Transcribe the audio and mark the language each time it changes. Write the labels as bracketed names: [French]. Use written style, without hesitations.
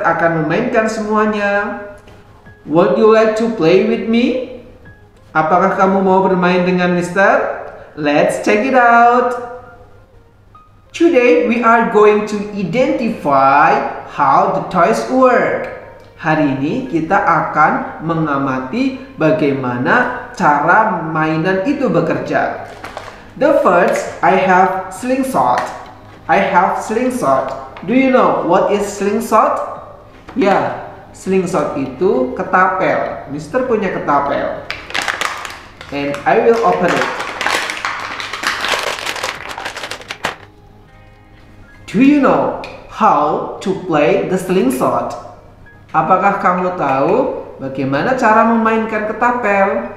[Indonesian] akan memainkan semuanya. [English] Would you like to play with me? [Indonesian] Apakah kamu mau bermain dengan Mr.? [English] Let's check it out! Today we are going to identify how the toys work. [Indonesian] Hari ini kita akan mengamati bagaimana cara mainan itu bekerja. [English] The first, I have slingshot. I have slingshot. Do you know what is slingshot? Yeah, slingshot [Indonesian] itu ketapel. Mr. punya ketapel. [English] And I will open it. Do you know how to play the slingshot? [Indonesian] Apakah kamu tahu bagaimana cara memainkan ketapel?